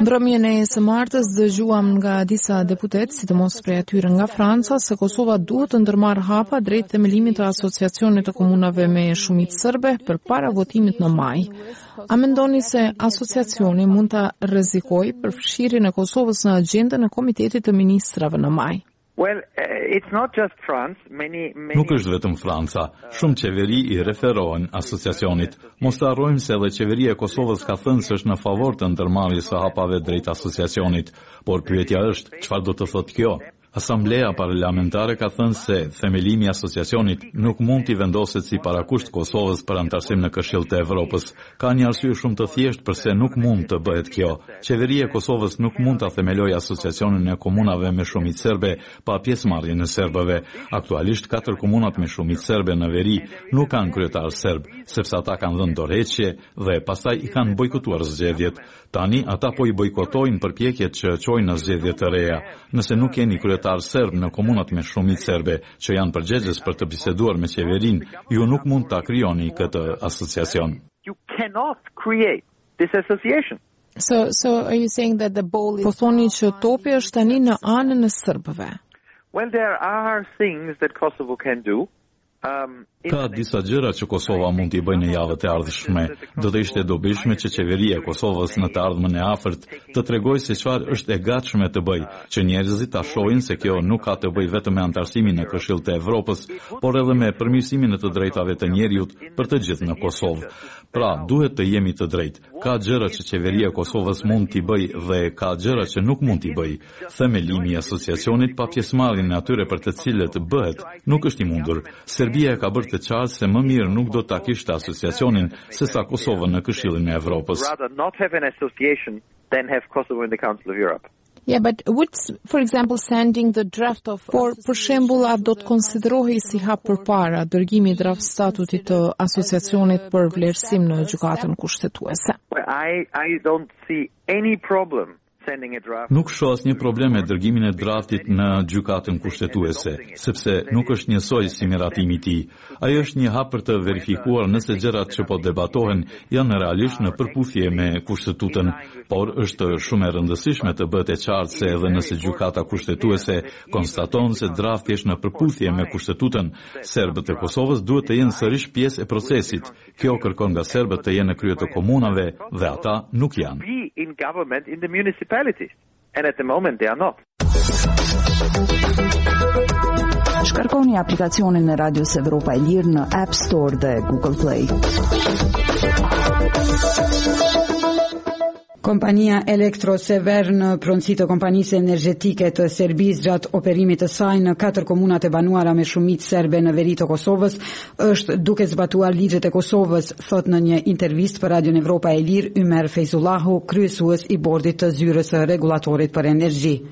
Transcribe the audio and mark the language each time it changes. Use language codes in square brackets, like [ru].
[sq] Mbrëmjen e së martës dëgjuam nga disa deputet, sidomos prej atyre nga Franca, se Kosova duhet të ndërmarr hapa drejt themelimit të Asociacionit të Komunave me Shumicë Serbe përpara votimit në maj. A mendoni se asociacioni mund ta rrezikojë përfshirjen e Kosovës në agjendën e Komitetit të Ministrave në maj? [en] Well, it's not just France, many [sq] nuk është vetëm Franca. Shumë qeveri i referohen asociacionit. Mos të harrojmë se edhe qeveria e Kosovës ka thënë se është në favor të ndërmarrjes së hapave drejt asociacionit, por pyetja është, çfarë do të thotë kjo? Asambleja parlamentare ka thënë se themelimi i asociacionit nuk mund t'i vendoset si parakusht Kosovës për antarësim në Këshillë të Evropës. Ka një arsye shumë të thjeshtë përse nuk mund të bëhet kjo. Qeveria e Kosovës nuk mund ta themelojë asociacionin e komunave me shumicë serbe pa pjesëmarrjen e serbëve. Aktualisht katër komunat me shumicë serbe në veri nuk kanë kryetar serb, sepse ata kanë dhënë dorëheqje dhe pastaj i kanë bojkotuar zgjedhjet. Tani ata po i bojkotojnë përpjekjet që çojnë në zgjedhje të reja. Nëse nuk keni kryetar serb në komunat me shumicë serbe që janë përgjegjës për të biseduar me qeverinë, ju nuk mund ta krijoni këtë asociacion. [en] You cannot create this association. So are you saying that the ball is... [sq] Po thoni që topi është tani në anën e serbëve? [en] Well, there are things that Kosovo can do. [sq] Ka disa gjëra që Kosova mund t'i bëjë në javët e ardhshme. Do të ishte dobishme që qeveria e Kosovës në të ardhmen e afërt të tregojë se çfarë është e gatshme të bëjë, që njerëzit ta shohin se kjo nuk ka të bëjë vetëm me antarësimin në Këshillin e Evropës, por edhe me përmirësimin e të drejtave të njerëzit për të gjithë në Kosovë. Pra, duhet të jemi të drejtë. Ka gjëra që qeveria e Kosovës mund t'i bëjë dhe ka gjëra që nuk mund t'i bëjë. Themelimi i asociacionit pa pjesëmarrjen e atyre për të cilët bëhet nuk është i mundur. Serbia ka bërë të qartë se më mirë nuk do ta kishte asociacionin sesa Kosovën në Këshillin e Evropës. [en] Yeah, but what's, for example, sending the draft of... [sq] Por, për shembull, a do të konsiderohi si hap përpara dërgimi i draft statutit të asociacionit për vlerësim në gjykatën kushtetuese? [en] I don't see any problem. [sq] Nuk shoh asnjë problem me dërgimin e draftit në gjykatën kushtetuese, sepse nuk është njësoj si miratimi i tij. Ai është një hap për të verifikuar nëse gjërat që po debatohen janë realisht në përputhje me kushtetutën, por është shumë e rëndësishme të bëhet e qartë se edhe nëse gjykata kushtetuese konstaton se drafti është në përputhje me kushtetutën, serbët e Kosovës duhet të jenë sërish pjesë e procesit. Kjo kërkon nga serbët të jenë në krye të komunave dhe ata nuk janë. [en] In government in the municipalities and at the moment they are not. [sq] Shkarkoni aplikacionin e Radios Evropa e Lirë në App Store dhe Google Play. Kompania Elektrosever në pronësi të kompanisë energjetike të Serbisë gjatë operimit të saj në katër komunat e banuara me shumicë serbe në veri të Kosovës është duke zbatuar ligjet e Kosovës, thot në një intervistë për Radio Evropa e Lirë Ymer Fejzullahu, kryesues i bordit të zyrës së rregullatorit për energji.